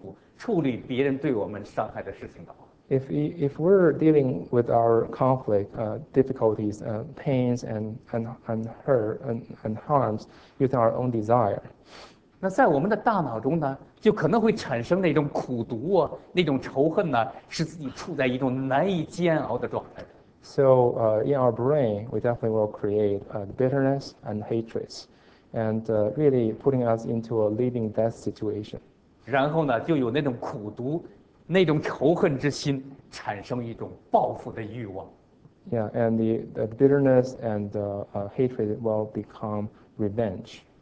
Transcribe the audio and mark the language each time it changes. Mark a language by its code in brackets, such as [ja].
[zh] 如果我们任由我们里边的私欲去处理矛盾、处理困难、处理痛苦、处理别人对我们伤害的事情的话， [en] If we're dealing with our conflict, difficulties, pains, and hurt and harms using our own desire. [zh] 那在我们的大脑中呢，就可能会产生那种苦毒啊，那种仇恨呢，使自己处在一种难以煎熬的状态。 [en] So in our brain, we definitely will create bitterness and hatreds, and really putting us into a living death situation. [zh] 然后呢，就有那种苦毒。那种仇恨之心产生一种报复的欲望。Yeah, [en] and the bitterness and the hatred will become revenge.